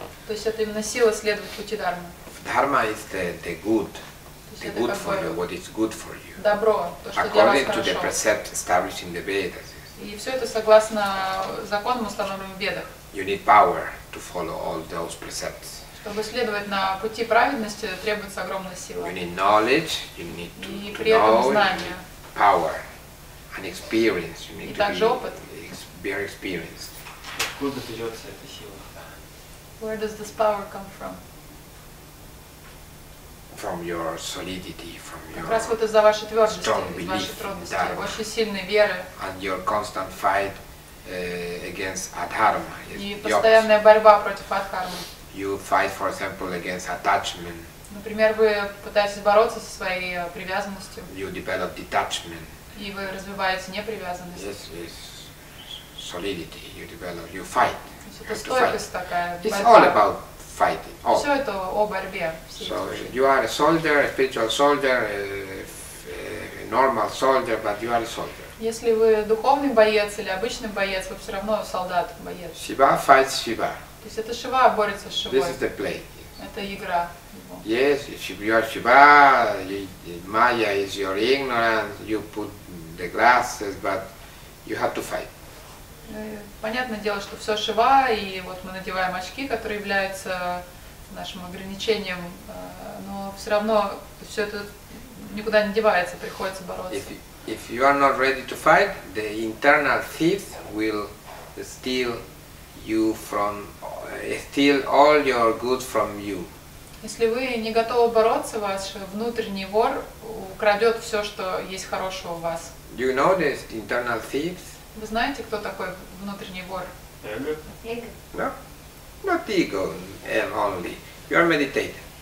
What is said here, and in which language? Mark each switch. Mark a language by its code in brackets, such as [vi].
[ru] То есть это именно сила следовать пути дхармы. [en] Dharma is the good, the good for you, what is good for you. [ru] Добро, [en] according to the precept established in the Vedas. [ru] И все это согласно законам, установленным в Ведах. [en] You need power to follow all those precepts. [ru] Чтобы следовать на пути праведности, требуется огромная сила. [en] You need knowledge, you need to know, you need power and experience. You need [ru] и также опыт. [en] Very experienced. [ru] Откуда берется эта сила? [en] Where does this power come from? From your solidity, from your [ru] как раз вот из-за вашей твердости, из вашей трудности, вашей сильной веры. [en] And your constant fight against adharma. [ru] И постоянная борьба против адхармы. [en] You fight, for example, against attachment. [ru] Например, вы пытаетесь бороться со своей привязанностью. [en] You develop detachment. [ru] И вы развиваете непривязанность. [en] Yes, yes. Solidity. You develop. You fight. [ru] Это стойкость такая. [en] It's all about fighting. All. [ru] Все это о борьбе. [en] So you are a soldier, a spiritual soldier, a normal soldier, but you are a soldier. [ru] Если вы духовный боец или обычный боец, вы все равно солдат, боец. [en] Shiva fights Shiva. [ru] То есть это Шива борется с Шивой. [en] This is the play. [ru] Это игра. [en] Yes, if you are Shiva, Maya is your ignorance. You put the glasses, but you have to fight. [ru] Понятное дело, что все Шива, и вот мы надеваем очки, которые являются нашим ограничением, но все равно все это никуда не девается, приходится бороться. [en] If you are not ready to fight, the internal thief will steal you from, steal all your good from you. [ru] Если вы не готовы бороться, ваш внутренний вор украдет все, что есть хорошего в вас. [en] Do you know this, the internal thief? [ru] Вы знаете, кто такой внутренний вор? Эго. [en] No, not ego only. You are meditating.